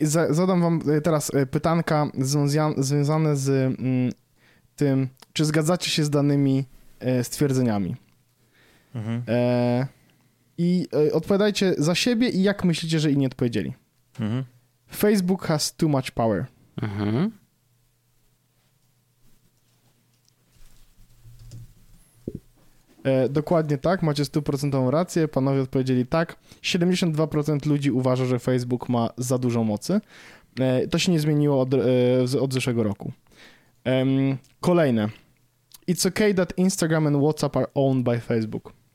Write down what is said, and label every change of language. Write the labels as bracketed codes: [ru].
[pl] Zadam wam teraz pytanka związane z tym, czy zgadzacie się z danymi stwierdzeniami. Mhm. I odpowiadajcie za siebie i jak myślicie, że inni odpowiedzieli. Mhm. [en] Facebook has too much power. [pl] Dokładnie tak, macie 100% rację, panowie odpowiedzieli tak, 72% ludzi uważa, że Facebook ma za dużo mocy, to się nie zmieniło od zeszłego roku. Kolejne, [en] it's okay that Instagram and WhatsApp are owned by Facebook.